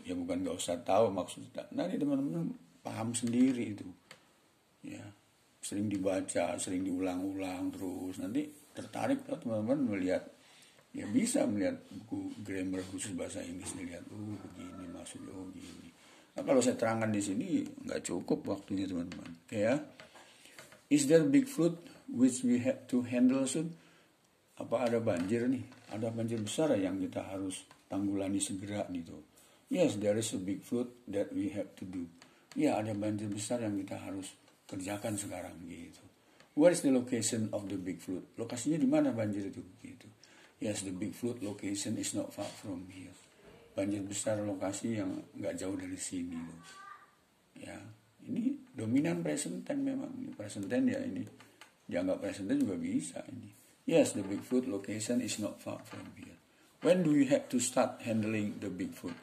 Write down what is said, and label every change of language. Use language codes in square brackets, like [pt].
[id] Ya bukan gak usah tahu maksudnya. Nanti teman-teman paham sendiri itu. Ya, sering dibaca, sering diulang-ulang terus. Nanti tertarik tuh teman-teman melihat. Ya bisa melihat buku grammar khusus bahasa Inggris melihat begini maksudnya begini. Nah, kalau saya terangkan di sini nggak cukup waktunya teman-teman. [en] Okay, ya, is there big flood which we have to handle soon? [id] Apa ada banjir nih? Ada banjir besar yang kita harus tanggulangi segera gitu. [en] Yes, there is a big flood that we have to do. [id] Ya, ada banjir besar yang kita harus kerjakan sekarang gitu. [en] Where is the location of the big flood? [id] Lokasinya di mana banjir itu gitu? [en] Yes, the big flood location is not far from here. [id] Banjir besar lokasi yang nggak jauh dari sini loh. Ya, ini dominan present tense memang. Present tense ya ini. Dianggap present tense juga bisa ini. [en] Yes, the Bigfoot location is not far from here. When do you have to start handling the Bigfoot?